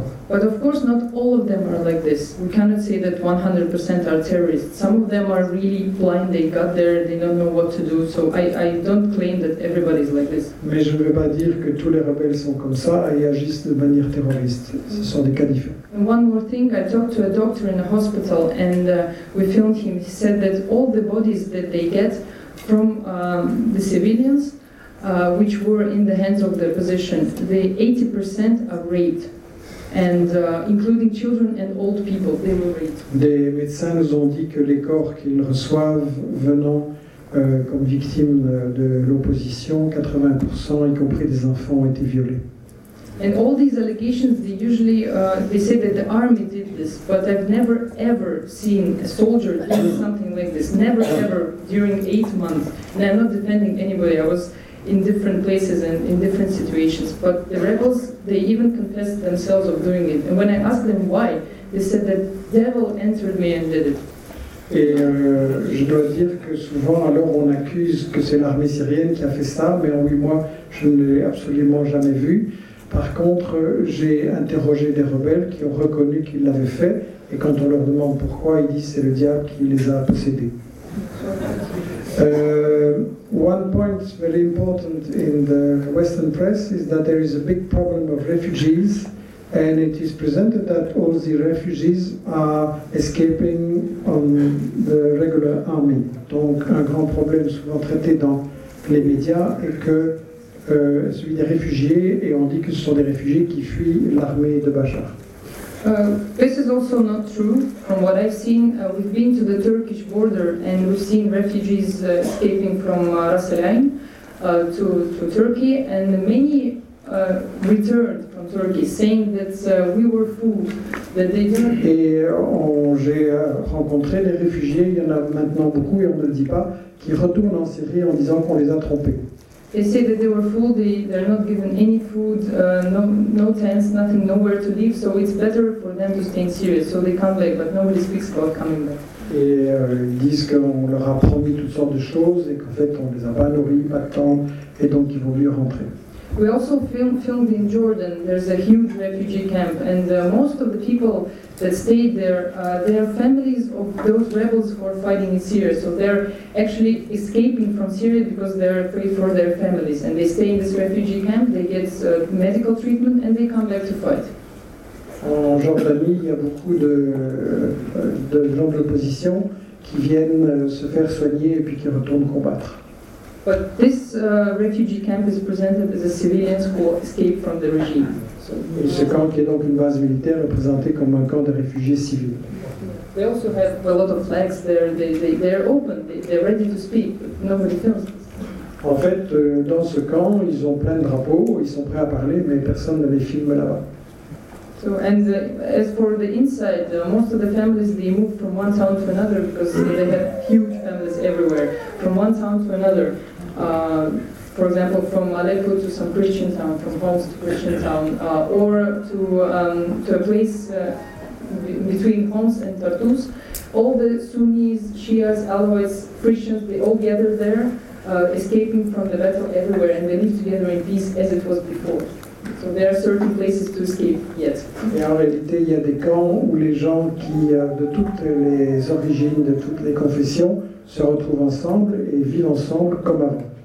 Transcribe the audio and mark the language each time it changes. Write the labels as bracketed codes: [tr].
[en] But of course not all of them are like this. We cannot say that 100% are terrorists. Some of them are really blind, they got there, they don't know what to do. So I don't claim that everybody is like this. [fr] Mais je ne veux pas dire que tous les rebelles sont comme ça et agissent de manière terroriste. Ce sont des cas différents. [en] And one more thing, I talked to a doctor in a hospital and we filmed him. He said that all the bodies that they get from the civilians, which were in the hands of the opposition, the 80% are raped. And including children and old people, they were raped. [fr] Des médecins nous ont dit que les corps qu'ils reçoivent venant comme victimes de l'opposition, 80%, y compris des enfants, ont été violés. [en] And all these allegations, they say that the army did this, but I've never ever seen a soldier do something like this. Never ever during 8 months. And I'm not defending anybody. I was in different places and in different situations, but the rebels, they even confessed themselves of doing it. And when I asked them why, they said that the devil entered me and did it. [fr] Et je dois dire que souvent, alors on accuse que c'est l'armée syrienne qui a fait ça, mais en 8 mois, je ne l'ai absolument jamais vu. Par contre, j'ai interrogé des rebelles qui ont reconnu qu'ils l'avaient fait, et quand on leur demande pourquoi, ils disent c'est le diable qui les a possédés. [en] One point very important in the Western press is that there is a big problem of refugees, and it is presented that all the refugees are escaping on the regular army. [fr] Donc un grand problème souvent traité dans les médias est que celui des réfugiés, et on dit que ce sont des réfugiés qui fuient l'armée de Bachar. [en] This is also not true. From what I've seen, we've been to the Turkish border and we've seen refugees escaping from Ras El Ain to Turkey, and many returned from Turkey saying that we were fooled, that they didn't. [fr] Et j'ai rencontré des réfugiés, il y en a maintenant beaucoup et on ne le dit pas, qui retournent en Syrie en disant qu'on les a trompés. [en] They say that they were fooled, they're not given any food, no tents, nothing, nowhere to live, so it's better for them to stay in Syria, so they come back, but nobody speaks about coming back. [fr] Et ils disent qu'on leur a promis toutes sortes de choses, et qu'en fait on les a pas nourris, pas de temps, et donc ils vont mieux rentrer. [en] We also filmed in Jordan, there's a huge refugee camp, and most of the people that stayed there, they are families of those rebels who are fighting in Syria. So they're actually escaping from Syria because they're afraid for their families. And they stay in this refugee camp, they get medical treatment, and they come back to fight. [fr] En Jordanie, il y a beaucoup de gens de l'opposition qui viennent se faire soigner et puis qui retournent combattre. [en] But this refugee camp is presented as a civilians who escaped from the regime. [fr] Et ce camp qui est donc une base militaire est présenté comme un camp de réfugiés civils. [en] They also have a lot of flags there. They're open. They're ready to speak. But nobody films. [fr] En fait, dans ce camp, ils ont plein de drapeaux. Ils sont prêts à parler, mais personne ne les filme là-bas. [en] So and as for the inside, most of the families they move from one town to another because they have huge families everywhere. From one town to another. For example, from Aleppo to some Christian town, from Homs to Christian town, or to a place between Homs and Tartus. All the Sunnis, Shias, Alawites, Christians, they all gather there. escaping from the battle everywhere, and they live together in peace as it was before. So there are certain places to escape yet. [fr] Et en réalité, il y a des camps où les gens qui de toutes les origines, de toutes les confessions, se retrouvent ensemble et vivent ensemble comme avant.